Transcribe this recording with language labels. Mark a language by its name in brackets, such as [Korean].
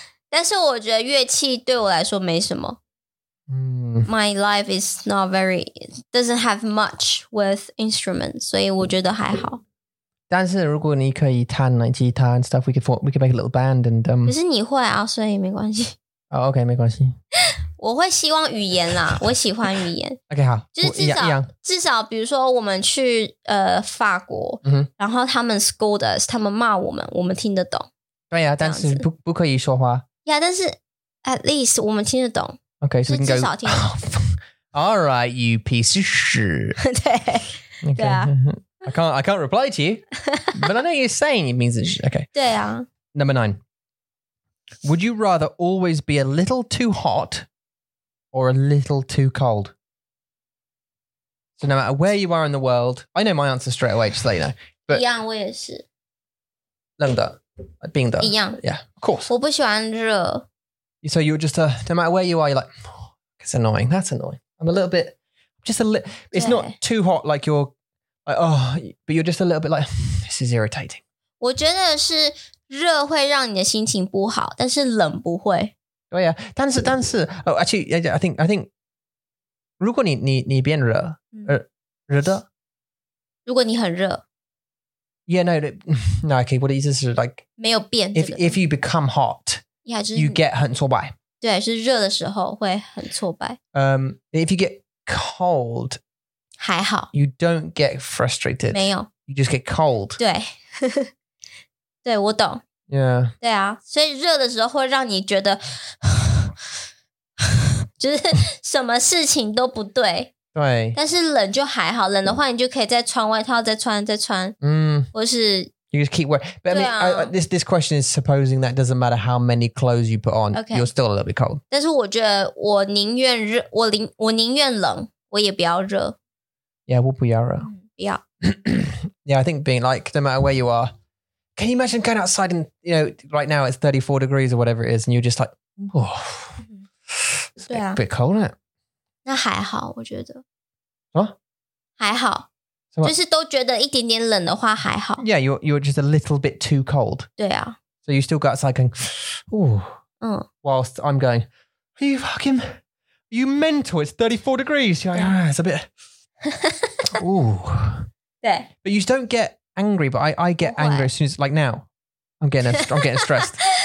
[Chinese] 但是我觉得乐器对我来说没什么。 [English] My life is not very, doesn't have much with instruments, [Chinese] 所以我觉得还好。但是如果你可以弹来吉他 [English] and stuff, we could make a little band and... [Chinese] 可是你会啊所以没关系。 [English] Oh, okay, [Chinese] 没关系。我会希望语言啦，我喜欢语言。 [English] OK， 好， [Chinese] 就是至少至少，比如说我们去法国，嗯，然后他们 [English] scold us， [Chinese] 他们骂我们，我们听得懂。对呀，但是不可以说话。 Yeah， 但是 [English] at least [Chinese] 我们听得懂。 [English] OK， [Chinese] 就至少听。 [English] All right, you piece of shit. [Chinese] 对，对啊。 [English] I can't reply to you, but I know you're saying it means it's okay. [Chinese] 对啊。 [English] Number nine. Would you rather always be a little too hot or a little too cold? So no matter where you are in the world, I know my answer straight away, just to let you know. But [Chinese] 一样，我也是。冷的，冰的，一样。 [English] Yeah, of course. [Chinese] 我不喜欢热。 [English] So you're just a, no matter where you are, you're like, oh, it's annoying. That's annoying. I'm a little bit, just a little, it's not too hot like you're,oh, but you're just a little bit like, this is irritating. [Chinese] 我觉得是热会让你的心情不好，但是冷不会。对呀，但是但是 [English] oh, actually, I think, [Chinese] 如果你变热，热的。如果你很热。 [English] Yeah, no, okay, what is this? Like, [Chinese] 没有变。 [English] If you become hot, you get [Chinese] 很挫败。对，是热的时候会很挫败。 [English] If you get cold, [Chinese] 还好 [English] You don't get frustrated. [Chinese] 没有 [English] You just get cold. [Chinese] 对对我懂 [English] Yeah. [Chinese] 对啊所以热的时候会让你觉得就是什么事情都不对。对。但是冷就还好冷的话你就可以再穿外套再穿再穿。嗯。或是 [English] You just keep wearing. But I mean,、啊、this question is supposing that doesn't matter how many clothes you put on,、 okay. you're still a little bit cold. [Chinese] 但是我觉得我宁愿热 我宁愿冷我也不要热。 [English] Yeah, we'll be Yara. Yeah. yeah, I think being like, no matter where you are, can you imagine going outside and, you know, right now it's 34 degrees or whatever it is, and you're just like, oh, it's a bit cold, isn't it? [Chinese] 那还好,我觉得。 [English] What? [Chinese] 还好。就是都觉得一点点冷的话还好。 [English] Yeah, you're just a little bit too cold. [Chinese] 对啊。 [English] So you still go outside going, ooh, whilst I'm going, are you fucking, are you mental? It's 34 degrees. You're like, ah, it's a bit... Ooh. [Chinese] 对 [English] But you don't get angry But I get angry as soon as Like now I'm getting stressed